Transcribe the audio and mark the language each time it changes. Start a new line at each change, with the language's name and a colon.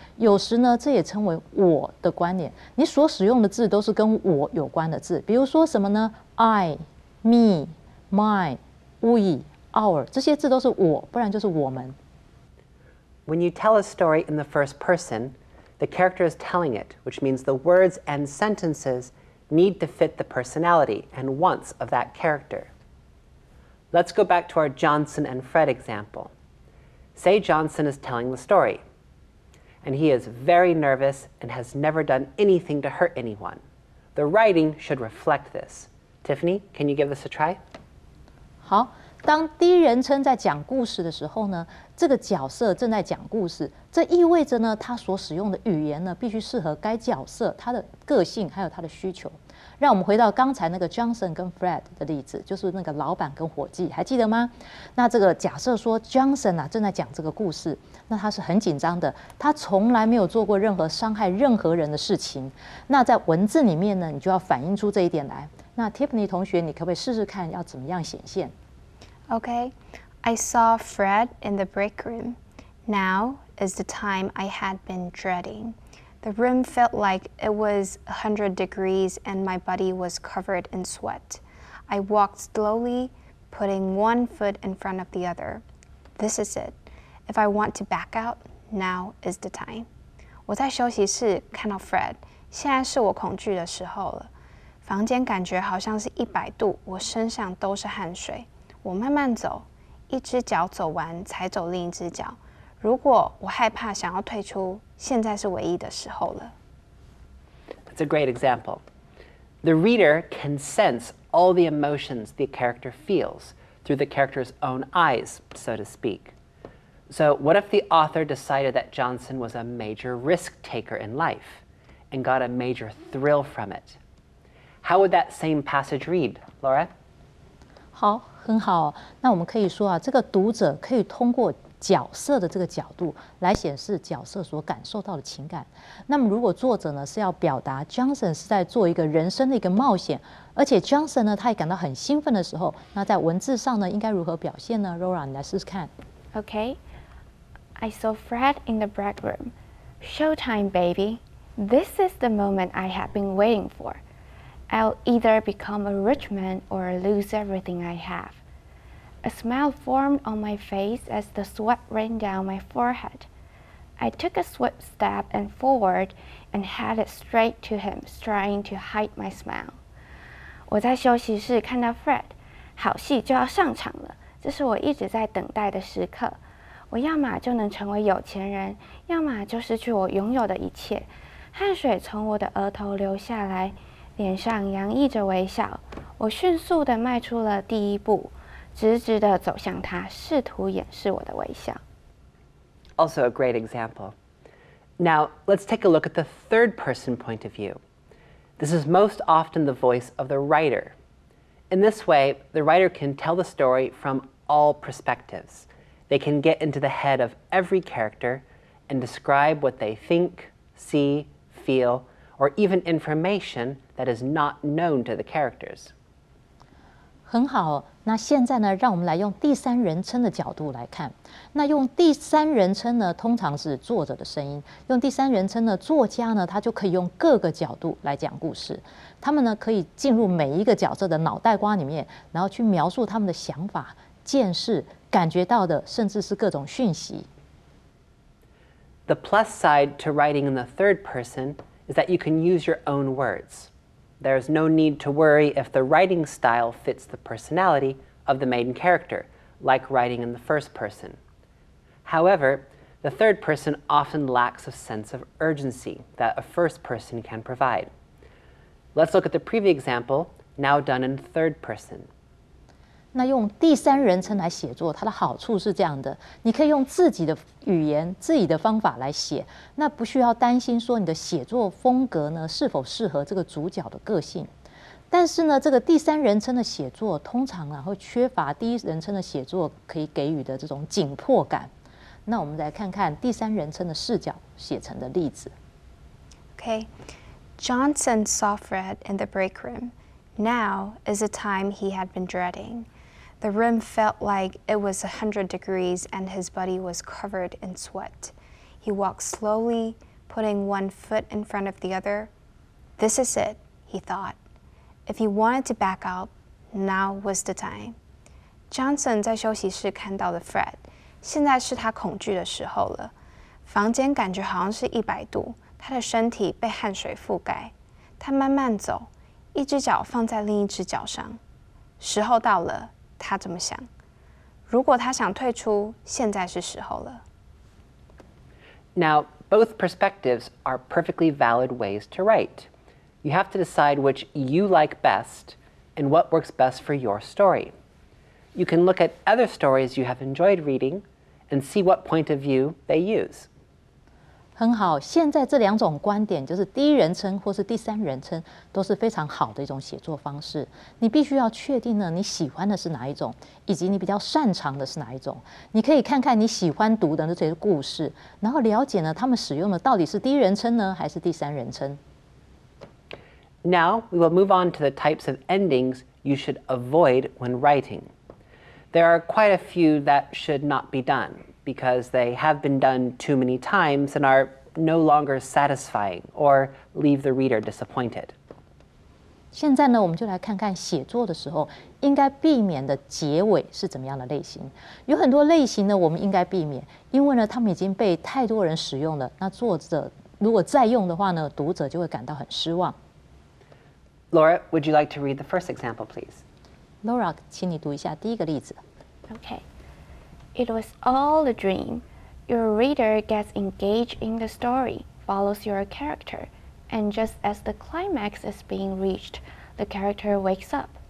Chinese: 有时呢，这也称为我的观点。你所使用的字都是跟我有关的字，比如说什么呢 ？
English: I, me, mine, we.
Chinese: Our, 这些字都是我，不然就是我们。
English: When you tell a story in the first person, the character is telling it, which means the words and sentences need to fit the personality and wants of that character. Let's go back to our Johnson and Fred example. Say Johnson is telling the story, and he is very nervous and has never done anything to hurt anyone. The writing should reflect this. Tiffany, can you give this a try?
Chinese: 好。当第一人称在讲故事的时候呢，这个角色正在讲故事，这意味着呢，他所使用的语言呢，必须适合该角色他的个性还有他的需求。让我们回到刚才那个 Johnson 跟 Fred 的例子，就是那个老板跟伙计，还记得吗？那这个假设说 Johnson 啊正在讲这个故事，那他是很紧张的，他从来没有做过任何伤害任何人的事情。那在文字里面呢，你就要反映出这一点来。那 Tiffany 同学，你可不可以试试看要怎么样显现
English: ？Okay, I saw Fred in the break room. Now is the time I had been dreading. The room felt like it was 100 degrees, and my body was covered in sweat. I walked slowly, putting one foot in front of the other. This is it. If I want to back out, now is the time.
Chinese: 我在休息室看到 Fred， 现在是我恐惧的时候了。房间感觉好像是100度，我身上都是汗水。我慢慢走，一只脚走完才走另一只脚。如果我害怕想要退出，现在是唯一的时候了。
English: That's a great example. The reader can sense all the emotions the character feels through the character's own eyes, so to speak. So what if the author decided that Johnson was a major risk taker in life and got a major thrill from it? How would that same passage read, Laura?
Chinese: 好，很好。那我们可以说啊，这个读者可以通过角色的这个角度来显示角色所感受到的情感。那么，如果作者呢是要表达 Johnson 是在做一个人生的一个冒险，而且 Johnson 呢他也感到很兴奋的时候，那在文字上呢应该如何表现呢 ？Laura， 你来试试看。
English: Okay, I saw Fred in the break room. Showtime, baby. This is the moment I have been waiting for. I'll either become a rich man or lose everything I have. A smile formed on my face as the sweat ran down my forehead. I took a swift step and forward and headed straight to him, trying to hide my smile.
Chinese: 我在休息室看到 Fred， 好戏就要上场了，这是我一直在等待的时刻。我要么就能成为有钱人，要么就失去我拥有的一切。汗水从我的额头流下来。脸上洋溢着微笑，我迅速地迈出了第一步，直直地走向他，试图掩饰我的微笑。
English: Also a great example. Now, let's take a look at the third person point of view. This is most often the voice of the writer. In this way, the writer can tell the story from all perspectives. They can get into the head of every character and describe what they think, see, feel, or even information,that is not known to the characters.
Chinese: 很好，那现在呢，让我们来用第三人称的角度来看。那用第三人称呢，通常是作者的声音。用第三人称呢，作家呢，他就可以用各个角度来讲故事。他们呢，可以进入每一个角色的脑袋瓜里面，然后去描述他们的想法、见识、感觉到的，甚至是各种讯息。
English: The plus side to writing in the third person is that you can use your own words. There's no need to worry if the writing style fits the personality of the main character, like writing in the first person. However, the third person often lacks a sense of urgency that a first person can provide. Let's look at the previous example, now done in third person.
Chinese: 那用第三人称来写作，它的好处是这样的，你可以用自己的语言、自己的方法来写，那不需要担心说你的写作风格呢是否适合这个主角的个性。但是呢，这个第三人称的写作通常呢会缺乏第一人称的写作可以给予的这种紧迫感。那我们来看看第三人称的视角写成的例子。
English: Okay, Johnson saw Fred in the break room. Now is the time he had been dreading. The room felt like it was 100 degrees and his body was covered in sweat. He walked slowly, putting one foot in front of the other. This is it, he thought. If he wanted to back out, now was the time.
Chinese: Johnson 在休息室看到了 Fred. 现在是他恐惧的时候了。房间感觉好像是100度，他的身体被汗水覆盖。他慢慢走，一只脚放在另一只脚上。时候到了。他怎么想？如果他想退出，现在是时候了。
English: Now, both perspectives are perfectly valid ways to write. You have to decide which you like best and what works best for your story. You can look at other stories you have enjoyed reading and see what point of view they use.
Chinese: 很好，现在这两种观点，就是第一人称或是第三人称，都是非常好的一种写作方式。你必须要确定呢，你喜欢的是哪一种，以及你比较擅长的是哪一种。你可以看看你喜欢读的这些故事，然后了解呢，他们使用的到底是第一人称呢，还是第三人称。
English: Now, we will move on to the types of endings you should avoid when writing. There are quite a few that should not be done because they have been done too many times and are no longer satisfying or leave the reader disappointed.
Chinese: 现在呢，我们就来看看写作的时候应该避免的结尾是怎么样的类型。有很多类型呢，我们应该避免，因为呢，他们已经被太多人使用了。那作者如果再用的话呢，读者就会感到很失望。
English: Laura, would you like to read the first example, please?
Chinese: Laura, 请你读一下第一个例子。
English: Okay. It was all a dream. Your reader gets engaged in the story, follows your character, and just as the climax is being reached, the character wakes up.